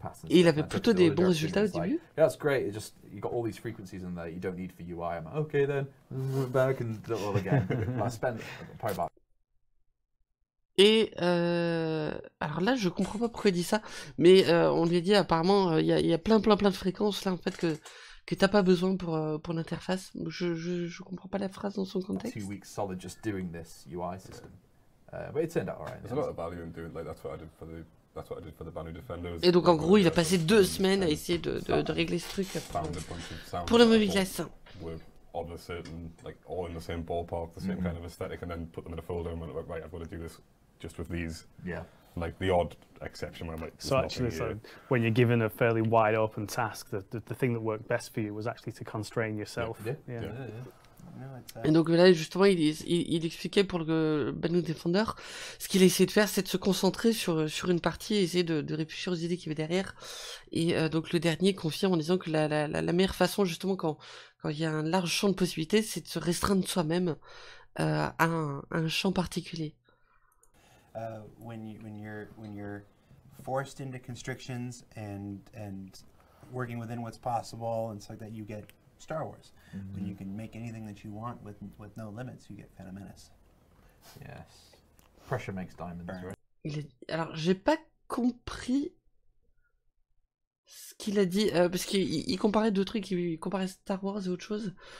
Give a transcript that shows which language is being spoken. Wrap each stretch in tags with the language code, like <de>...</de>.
<fr>Et il avait plutôt des bons résultats au début.</fr> <en>Yeah, that's great. It's just you got all these frequencies in there you don't need for UI. I'm like, okay then, back and do it all again. I spent probably about.</en> <fr>Et alors là, je comprends pas pourquoi il dit ça, mais on lui a dit apparemment il y a plein de fréquences là en fait que t'as pas besoin pour l'interface. Je comprends pas la phrase dans son contexte.</fr> <en>2 weeks solid just doing this UI system. But it turned out alright. There's a lot of value in doing like that's what I did for the Banu Defenders.</en> <fr>Et donc en gros, il a passé 2 semaines à essayer de régler ce truc pour le MobiGlass.</fr> <en>We're on the certain like all in the same ballpark, the same kind of aesthetic, and then put them in a folder and went right. I've got to do this just with these. Yeah. Like the odd exception where I'm like. So actually, so when you're given a fairly wide open task, the thing that worked best for you was actually to constrain yourself. Yeah.</en> <fr>Et donc là, justement, il expliquait pour le Banu Defender, ce qu'il a essayé de faire, c'est de se concentrer sur une partie et essayer de réfléchir aux idées qu'il y avait derrière. Et donc le dernier confirme en disant que la meilleure façon, justement, quand il y a un large champ de possibilités, c'est de se restreindre soi-même à un champ particulier.</fr> <en>When you're forced into constrictions and working within what's possible and stuff like that, you get Star Wars. Mm-hmm. When you can make anything that you want with no limits, you get Phantom Menace. Yes. Pressure makes diamonds, burn. Right?</en> <fr>Alors, j'ai pas compris ce qu'il a dit, parce qu'il comparait deux trucs, il comparait Star Wars et autre chose.</fr>